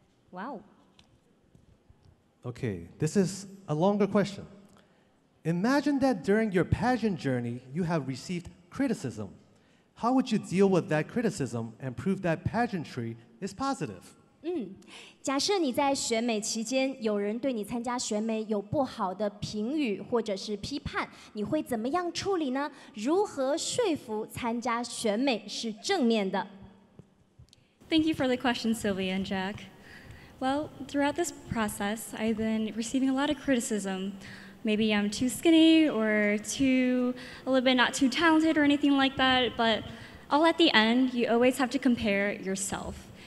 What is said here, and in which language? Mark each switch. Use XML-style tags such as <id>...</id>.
<en>Wow. Okay, this is a longer question. Imagine that during your pageant journey, you have received criticism. How would you deal with that criticism and prove that pageantry is positive?</en> <zh>假设你在选美期间，有人对你参加选美有不好的评语或者是批判，你会怎么样处理呢？如何说服参加选美是正面的？</zh> <en>Thank you for the question, Sylvia and Jack. Well, throughout this process, I've been receiving a lot of criticism. Maybe I'm too skinny or a little bit not too talented or anything like that, but all at the end, you always have to compare yourself.</en>